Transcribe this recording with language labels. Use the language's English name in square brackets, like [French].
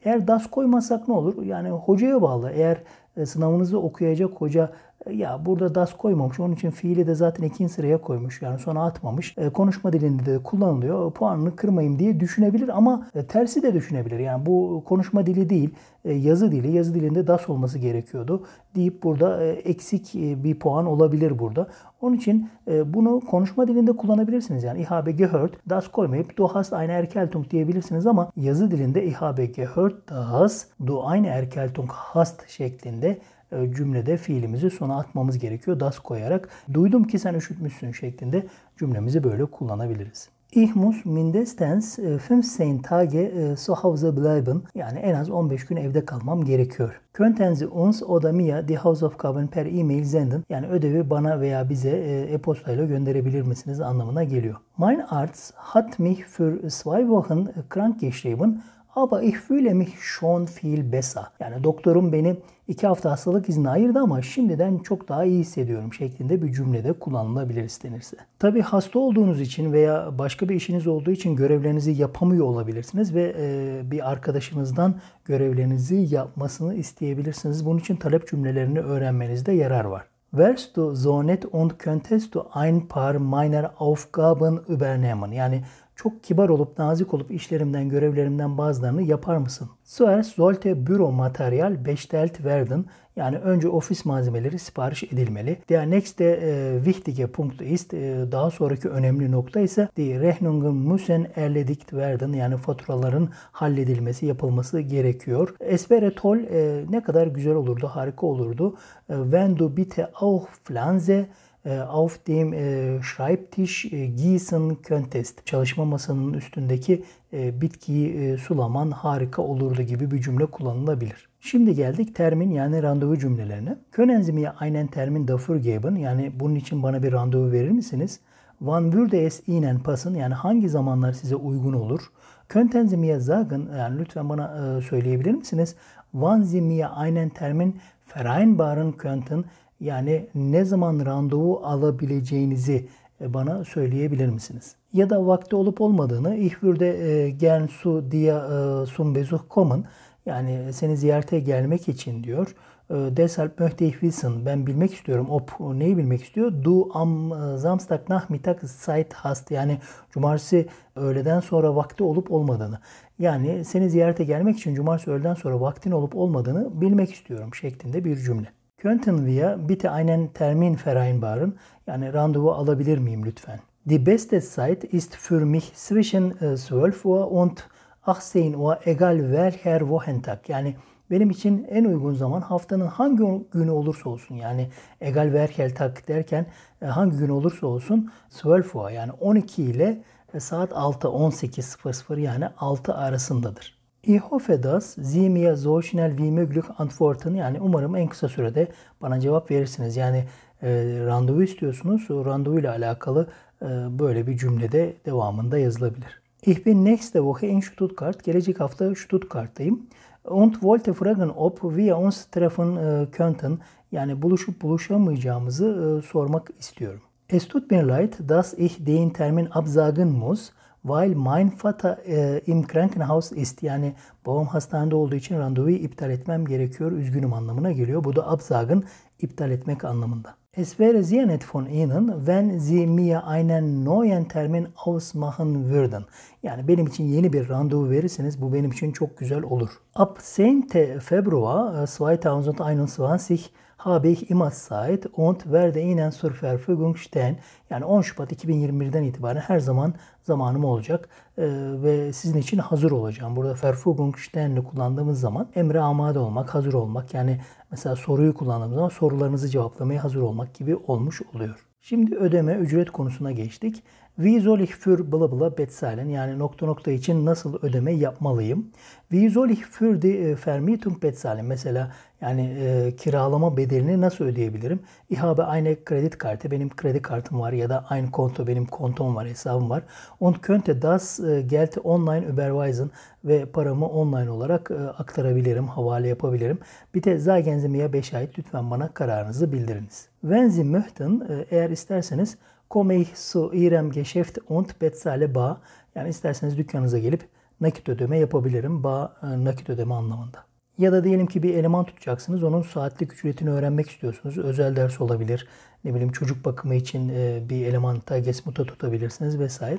[Turkish] Eğer das koymazsak ne olur? Yani hocaya bağlı. Eğer sınavınızı okuyacak hoca ya burada das koymamış, onun için fiili de zaten ikinci sıraya koymuş, yani sona atmamış, konuşma dilinde de kullanılıyor, puanını kırmayayım diye düşünebilir ama tersi de düşünebilir. Yani bu konuşma dili değil, yazı dili, yazı dilinde das olması gerekiyordu deyip burada eksik bir puan olabilir burada. Onun için bunu konuşma dilinde kullanabilirsiniz. Yani [German] ich habe gehört, das [Turkish] koymayıp [German] du hast eine Erkältung [Turkish] diyebilirsiniz ama yazı dilinde [German] ich habe gehört, das, du eine Erkältung hast [Turkish] şeklinde cümlede fiilimizi sona atmamız gerekiyor. Das koyarak duydum ki sen üşütmüşsün şeklinde cümlemizi böyle kullanabiliriz. [German] Ich muss mindestens 15 Tage zu Hause bleiben. [Turkish] Yani en az 15 gün evde kalmam gerekiyor. [German] Könnten Sie uns oder mir die Hausaufgaben per E-Mail senden? [Turkish] Yani ödevi bana veya bize e-postayla gönderebilir misiniz anlamına geliyor. [German] Mein Arzt hat mich für zwei Wochen krank geschrieben. Aber ich fühle mich schon viel besser. [Turkish] Yani doktorum beni 2 hafta hastalık izni ayırdı ama şimdiden çok daha iyi hissediyorum şeklinde bir cümlede kullanılabilir istenirse. Tabii hasta olduğunuz için veya başka bir işiniz olduğu için görevlerinizi yapamıyor olabilirsiniz ve bir arkadaşınızdan görevlerinizi yapmasını isteyebilirsiniz. Bunun için talep cümlelerini öğrenmenizde yarar var. [German] Wärst du so nett und könntest du ein paar meiner Aufgaben übernehmen? [Turkish] Yani çok kibar olup nazik olup işlerimden, görevlerimden bazılarını yapar mısın? [German] Zuerst sollte büro material bestellt werden. [Turkish] Yani önce ofis malzemeleri sipariş edilmeli. [German] Der nächste wichtige Punkt ist, [Turkish] daha sonraki önemli nokta ise [German] die Rechnungen müssen erledigt werden. [Turkish] Yani faturaların halledilmesi, yapılması gerekiyor. [German] Es wäre toll, [Turkish] ne kadar güzel olurdu, harika olurdu. [German] Wenn du bitte auch Pflanze auf dem Schreibtisch gießen könntest. [Turkish] Çalışma masanın üstündeki bitkiyi sulaman harika olurdu gibi bir cümle kullanılabilir. Şimdi geldik termin yani randevu cümlelerine. [German] Können Sie mir einen Termin dafür geben? [Turkish] Yani bunun için bana bir randevu verir misiniz? [German] Wann würde es Ihnen passen? [Turkish] Yani hangi zamanlar size uygun olur? [German] Könnten Sie mir sagen? [Turkish] Yani lütfen bana söyleyebilir misiniz? [German] Wann Sie mir einen Termin vereinbaren könnten? [Turkish] Yani ne zaman randevu alabileceğinizi bana söyleyebilir misiniz? Ja da vakti olup olmadığını [German] ich würde gern zu dir zum Besuch kommen. [Turkish] Yani seni ziyarete gelmek için diyor. [German] Deshalb möchte ich wissen. [Turkish] Ben bilmek istiyorum. Ob neyi bilmek istiyor? [German] Du am Samstag Nachmittag Zeit hast. [Turkish] Yani cumartesi öğleden sonra vakti olup olmadığını. Yani seni ziyarete gelmek için cumartesi öğleden sonra vaktin olup olmadığını bilmek istiyorum şeklinde bir cümle. [German] Könnten wir bitte einen Termin vereinbaren? [Turkish] Yani randevu alabilir miyim lütfen? [German] Die beste Zeit ist für mich zwischen 12 Uhr und 18 Uhr, egal welcher Wochentag. [Turkish] Yani benim için en uygun zaman haftanın hangi günü olursa olsun. Yani [German] egal welcher Tag [Turkish] derken hangi gün olursa olsun 12 Uhr yani 12 ile saat 6:18 yani 6 arasındadır. [German] Ich hoffe, dass Sie mir so schnell wie möglich antworten. [Turkish] Yani umarım en kısa sürede bana cevap verirsiniz. Yani randevu istiyorsunuz. Randevu ile alakalı böyle bir cümlede devamında yazılabilir. [German] Ich bin nächste Woche in Stuttgart. [Turkish] Gelecek hafta Stuttgart'tayım. [German] Und wollte fragen, ob wir uns treffen könnten. [Turkish] Yani buluşup buluşamayacağımızı sormak istiyorum. [German] Es tut mir leid, dass ich den Termin absagen muss. Weil mein Vater im Krankenhaus ist, [Turkish] yani babam hastanede olduğu için randevuyu iptal etmem gerekiyor, üzgünüm anlamına geliyor. Bu da absagen, iptal etmek anlamında. [German] Es wäre sehr nett von Ihnen, wenn Sie mir einen neuen Termin ausmachen würden. [Turkish] Yani benim için yeni bir randevu verirseniz bu benim için çok güzel olur. [German] Ab 10. Februar 2021 habe ich immer Zeit und werde Ihnen zur Verfügung stehen. [Turkish] Yani 10 Şubat 2021'den itibaren her zaman zamanım olacak ve sizin için hazır olacağım. Burada Verfügung stehen'i kullandığımız zaman emre amade olmak, hazır olmak. Yani mesela soruyu kullandığımız zaman sorularınızı cevaplamaya hazır olmak gibi olmuş oluyor. Şimdi ödeme, ücret konusuna geçtik. [German] Wie soll ich für bla bla bezahlen? [Turkish] Yani nokta nokta için nasıl ödeme yapmalıyım? [German] Wie soll ich für die Vermietung bezahlen? [Turkish] Mesela yani kiralama bedelini nasıl ödeyebilirim? [German] Ich habe eine Kreditkarte. [Turkish] Benim kredi kartım var ya da [German] ein Konto. [Turkish] Benim kontom var, hesabım var. [German] Und könnte das Geld online überweisen. [Turkish] Ve paramı online olarak aktarabilirim, havale yapabilirim. [German] Bitte sagen Sie mir Bescheid. [Turkish] Lütfen bana kararınızı bildiriniz. [German] Wenn Sie möchten, [Turkish] eğer isterseniz, [German] komme ich zu Ihrem Geschäft und bezahle bar. [Turkish] Yani isterseniz dükkanınıza gelip nakit ödeme yapabilirim. Bar nakit ödeme anlamında. Ya da diyelim ki bir eleman tutacaksınız. Onun saatlik ücretini öğrenmek istiyorsunuz. Özel ders olabilir. Ne bileyim çocuk bakımı için bir eleman tagesmuta tutabilirsiniz vesaire.